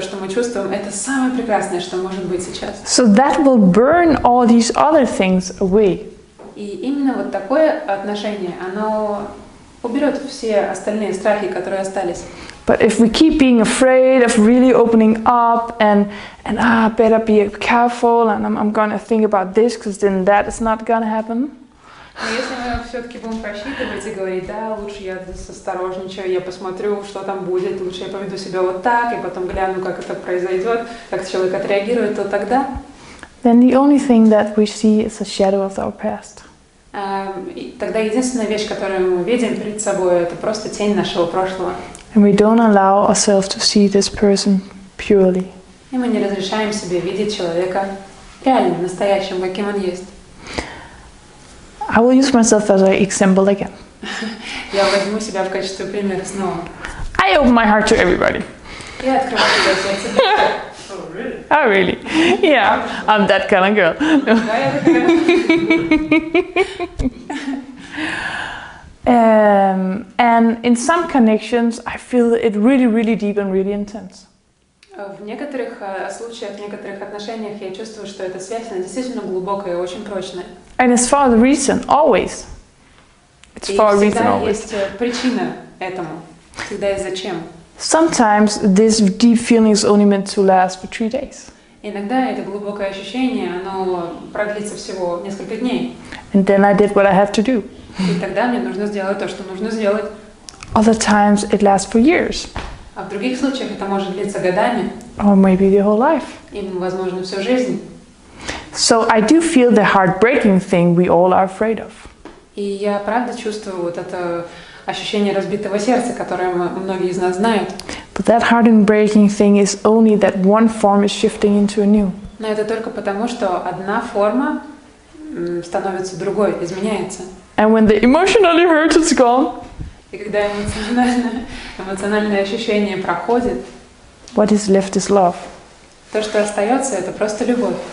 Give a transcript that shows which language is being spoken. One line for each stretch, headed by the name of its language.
English: So that will burn all these other things away.
Russian: И именно вот такое отношение, оно уберет все остальные страхи, которые остались.
English: But if we keep being afraid of really opening up and better be careful and I'm going to think about this because then that is not going to happen.
Russian: Если мы все-таки будем просчитывать и говорить, да, лучше я осторожничаю, я посмотрю, что там будет, лучше я поведу себя вот так и потом гляну, как это произойдет, как человек отреагирует, то тогда.
English: Then the only thing that we see is a shadow of our past.
Russian: Тогда единственная вещь, которую мы видим перед собой, это просто тень нашего прошлого.
English: And we don't allow ourselves to see this person purely.
Russian: И мы не разрешаем себе видеть человека реальным, настоящим, каким он есть.
English: I will use myself as an example again.
Russian: Я возьму себя в качестве примера снова.
English: I open my heart to everybody.
Russian: Я открываю себя для всех.
English: Oh, really? Oh, really? Yeah, I'm that kind of girl. and in some connections, I feel it really, really deep and really intense.
Russian: В некоторых случаях, в некоторых отношениях я чувствую, что эта связь действительно глубокая и очень прочная.
English: And it's for a reason, always. It's for a reason, always.
Russian: И всегда есть причина этому. Всегда есть зачем.
English: Sometimes this deep feeling is only meant to last for 3 days.
Russian: Иногда это глубокое ощущение, оно продлится всего несколько дней.
English: And then I did what I have to do.
Russian: И тогда мне нужно сделать то, что нужно сделать.
English: Other times it lasts for years.
Russian: А в других случаях это может длиться годами.
English: Or maybe the whole life.
Russian: И, возможно, всю жизнь.
English: So I do feel the heartbreaking thing we all are afraid of.
Russian: И я правда чувствую вот это ощущение разбитого сердца, которое многие из нас знают.
English: But that heartbreaking thing is only that one form is shifting into a new.
Russian: Но это только потому, что одна форма становится другой, изменяется.
English: And when the emotionally hurt is gone,
Russian: и когда эмоциональное ощущение проходит,
English: what is left is love.
Russian: То, что остается, это просто любовь.